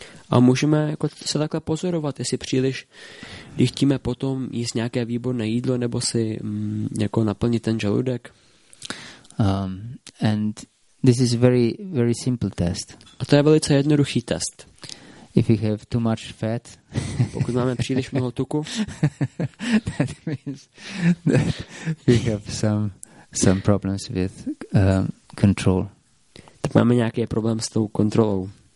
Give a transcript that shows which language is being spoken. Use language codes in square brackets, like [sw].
[cs] A můžeme jako se takhle pozorovat, jestli příliš, když chtíme potom jíst nějaké výborné jídlo, nebo si jako naplnit ten žaludek. [en] And this is very, very simple test. [cs] A to je velice jednoduchý test. [en] If you have too much fat, [cs] pokud máme příliš mnoho tuku, [en] that means that we have some problems with control. [cs] Tak máme nějaký problém s tou kontrolou.